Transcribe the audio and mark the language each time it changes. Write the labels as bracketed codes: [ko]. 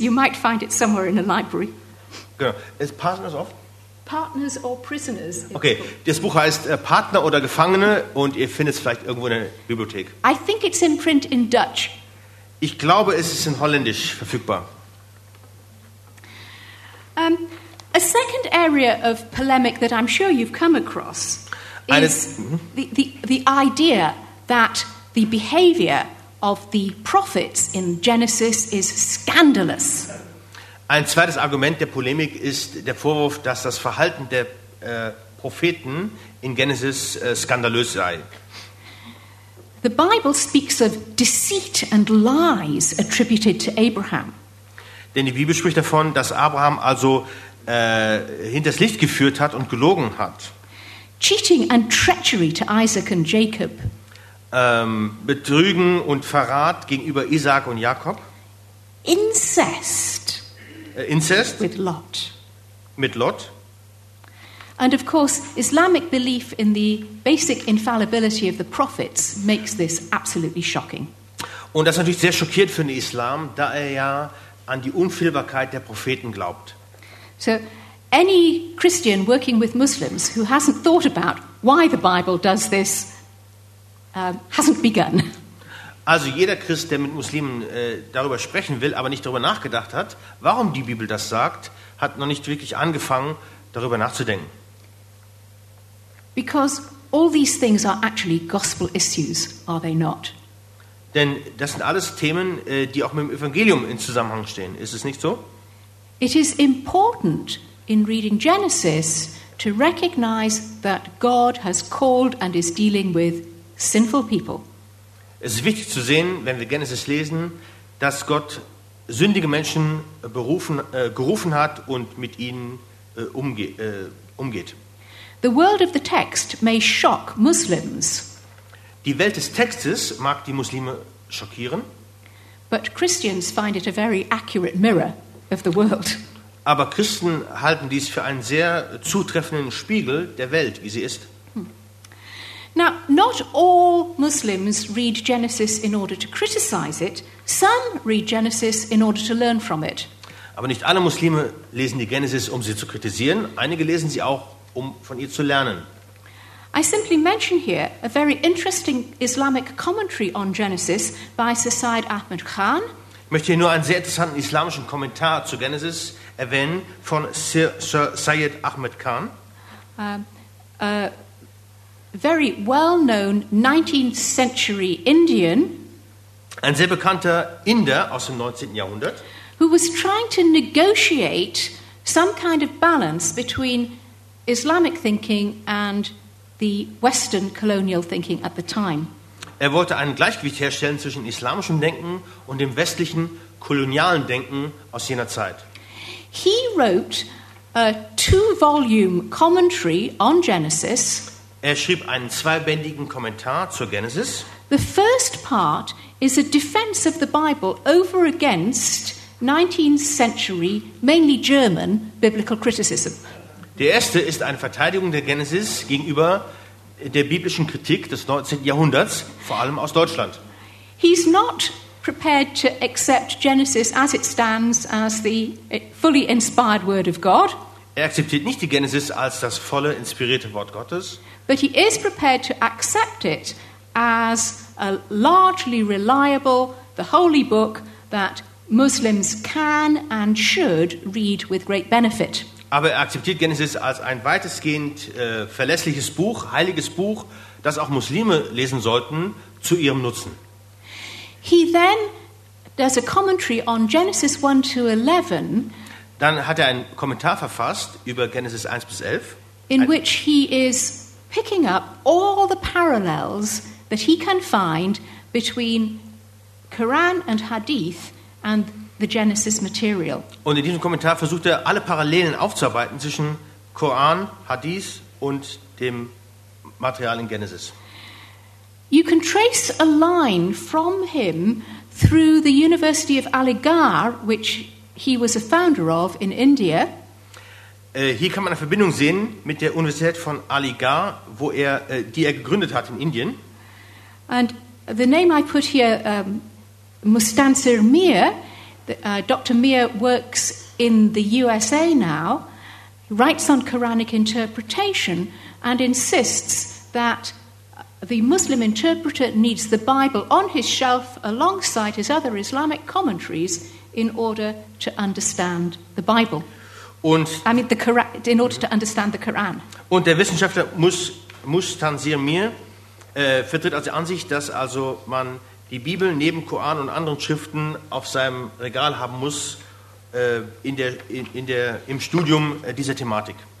[en] You might find it somewhere in a library. Genau. Partners of? Partners or Prisoners. [de] Okay, das Buch heißt Partner oder Gefangene und ihr findet es vielleicht irgendwo in der Bibliothek. [en] I think it's in print in Dutch. [de] Ich glaube, es ist in Holländisch verfügbar. [en] A second area of polemic that I'm sure you've come across is the idea that the behavior of the prophets in Genesis is scandalous. [de] Ein zweites Argument der Polemik ist der Vorwurf, dass das Verhalten der Propheten in Genesis skandalös sei. [en] The Bible speaks of deceit and lies attributed to Abraham. [de] Denn die Bibel spricht davon, dass Abraham also hinters Licht geführt hat und gelogen hat. [en] Cheating and treachery to Isaac and Jacob. [de] Betrügen und Verrat gegenüber Isaac und Jakob. [en] Incest. [de] Incest. [en] With Lot. [de] Mit Lot. [en] And of course, Islamic belief in the basic infallibility of the prophets makes this absolutely shocking. [de] Und das ist natürlich sehr schockiert für den Islam, da er ja an die Unfehlbarkeit der Propheten glaubt. [en] So, any Christian working with Muslims who hasn't thought about why the Bible does this hasn't begun. [de] Also jeder Christ, der mit Muslimen darüber sprechen will, aber nicht darüber nachgedacht hat, warum die Bibel das sagt, hat noch nicht wirklich angefangen, darüber nachzudenken. [en] Because all these things are actually gospel issues, are they not? [de] Denn das sind alles Themen, die auch mit dem Evangelium in Zusammenhang stehen. Ist es nicht so? [en] It is important in reading Genesis to recognize that God has called and is dealing with sinful people. [de] Es ist wichtig zu sehen, wenn wir Genesis lesen, dass Gott sündige Menschen gerufen hat und mit ihnen umgeht. [en] The world of the text may shock Muslims. [de] Die Welt des Textes mag die Muslime schockieren. [en] But Christians find it a very accurate mirror of the world. [de] Aber Christen halten dies für einen sehr zutreffenden Spiegel der Welt, wie sie ist. [en] Now, not all Muslims read Genesis in order to criticize it. Some read Genesis in order to learn from it. [de] Aber nicht alle Muslime lesen die Genesis, um sie zu kritisieren. Einige lesen sie auch, um von ihr zu lernen. [en] I simply mention here a very interesting Islamic commentary on Genesis by Sir Syed Ahmed Khan. [de] Ich möchte hier nur einen sehr interessanten islamischen Kommentar zu Genesis erwähnen von Sir Syed Ahmed Khan. [en] A very well-known 19th century Indian. [de] Ein sehr bekannter Inder aus dem 19. Jahrhundert. [en] Who was trying to negotiate some kind of balance between Islamic thinking and the Western colonial thinking at the time. [de] Er wollte ein Gleichgewicht herstellen zwischen islamischem Denken und dem westlichen kolonialen Denken aus jener Zeit. [en] He wrote a two-volume commentary on Genesis. [de] Er schrieb einen zweibändigen Kommentar zur Genesis. [en] The first part is a defense of the Bible over against 19th century, mainly German, biblical criticism. [de] Der erste ist eine Verteidigung der Genesis gegenüber der biblischen Kritik des 19. Jahrhunderts, vor allem aus Deutschland. [en] He's not prepared to accept Genesis as it stands as the fully inspired word of God. [de] Er akzeptiert nicht die Genesis als das volle inspirierte Wort Gottes. [en] But he is prepared to accept it as a largely reliable, the holy book that Muslims can and should read with great benefit. [de] Aber er akzeptiert Genesis als ein weitestgehend verlässliches Buch, heiliges Buch, das auch Muslime lesen sollten, zu ihrem Nutzen. [en] He then does a commentary on Genesis 1 to 11. [de] Dann hat er einen Kommentar verfasst über Genesis 1 bis 11. [en] In which he is picking up all the parallels that he can find between Quran and Hadith and the Genesis material. [de] Und in diesem Kommentar versucht er, alle Parallelen aufzuarbeiten zwischen Koran, Hadith und dem Material in Genesis. [en] You can trace a line from him through the University of Aligarh, which he was a founder of in India. [de] Hier kann man eine Verbindung sehen mit der Universität von Aligarh, wo er die er gegründet hat in Indien. [en] And the name I put here, Mustansir Mir. Dr. Mir works in the USA now, writes on Quranic interpretation, and insists that the Muslim interpreter needs the Bible on his shelf alongside his other Islamic commentaries in order to understand the Bible. To understand the Quran. [de] Und der Wissenschaftler Mustansir Mir vertritt also die Ansicht, dass also man die Bibel neben Koran und anderen Schriften auf seinem Regal haben muss im Studium dieser Thematik.